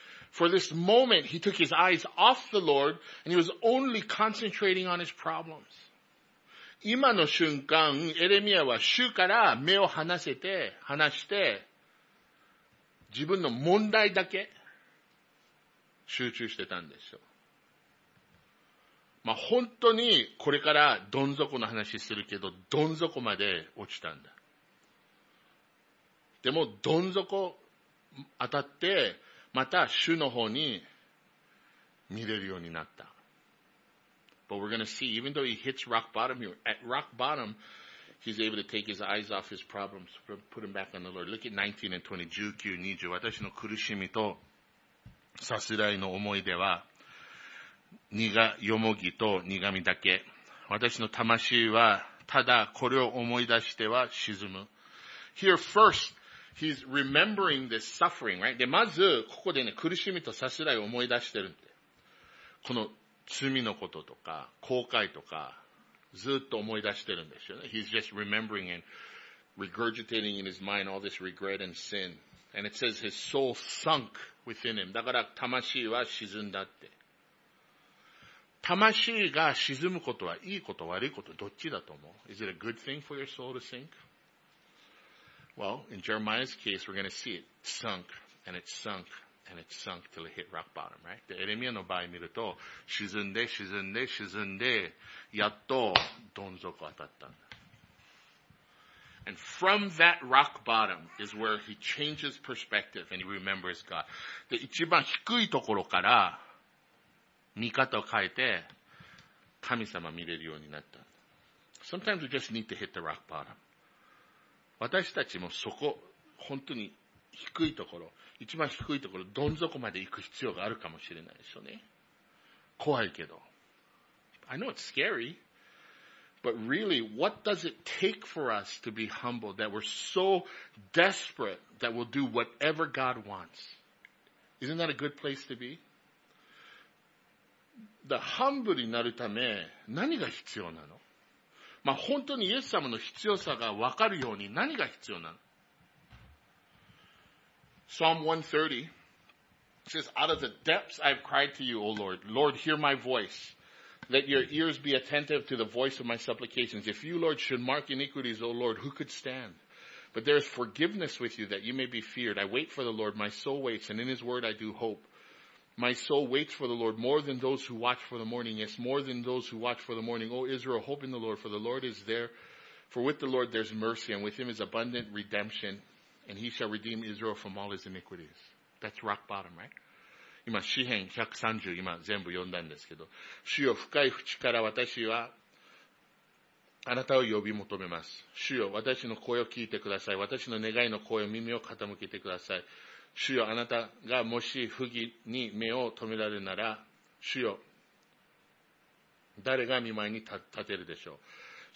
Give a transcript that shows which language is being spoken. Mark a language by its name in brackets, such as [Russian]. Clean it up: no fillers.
[English] For this moment, he took his eyes off the Lord, and he was only concentrating on his problems. [Japanese] 今の瞬間、エレミアは主から目を離して、自分の問題だけ集中してたんですよ。まあ、本当にこれからどん底の話するけど、どん底まで落ちたんだ。でも、どん底当たって、また主の方に見れるようになった。 [English] But we're gonna see, even though he hits rock bottom here, at rock bottom,He's able to take his eyes off his problems, put them back on the Lord. Look at 19 and 20, 19, 20. [Japanese] 私の苦しみとさすらいの思い出は、よもぎと苦味だけ。私の魂はただこれを思い出しては沈む。 [English] Here first, he's remembering this suffering, right? [Japanese] で、まず、ここでね、苦しみとさすらいを思い出してるんで。この罪のこととか、後悔とか、ずっと思い出してるんですよね。 [English] He's just remembering and regurgitating in his mind all this regret and sin. And it says his soul sunk within him. [Japanese] だから、魂は沈んだって。魂が沈むことはいいこと悪いことどっちだと思う? [English] Is it a good thing for your soul to sink? Well, in Jeremiah's case, we're going to see it sunk and it sunk and it sunk till it hit rock bottom, right? [Japanese] で、エレミアの場合見ると、沈んで沈んで沈んで、やっとどん底当たったんだ。 [English] And from that rock bottom is where he changes perspective and he remembers God. [Japanese] で、一番低いところから、見方を変えて神様見れるようになった。 [English] Sometimes we just need to hit the rock bottom. [Japanese] 私たちもそこ、本当に低いところ、一番低いところ、どん底まで行く必要があるかもしれないですよね。怖いけど。 [English] I know it's scary, but really, what does it take for us to be humble that we're so desperate that we'll do whatever God wants? Isn't that a good place to be? [Japanese] だ、ハンブルになるため、何が必要なの?まあ、本当にイエス様の必要さが分かるように何が必要なの? [English] Psalm 130 says, Out of the depths I've cried to you, O Lord. Lord, hear my voice. Let your ears be attentive to the voice of my supplications. If you, Lord, should mark iniquities, O Lord, who could stand? But there is forgiveness with you that you may be feared. I wait for the Lord. My soul waits, and in his word I do hope. My soul waits for the Lord more than those who watch for the morning. Yes, more than those who watch for the morning. O Israel, hope in the Lord, for the Lord is there. For with the Lord there's mercy, and with him is abundant redemption. And he shall redeem Israel from all his iniquities. That's rock bottom, right? [Japanese] 今、詩編130、今全部読んだんですけど。主よ、深い淵から私はあなたを呼び求めます。主よ、私の声を聞いてください。私の願いの声を耳を傾けてください。主よ、あなたがもし不義に目を止められるなら、主よ、誰が見舞いに立てるでしょう。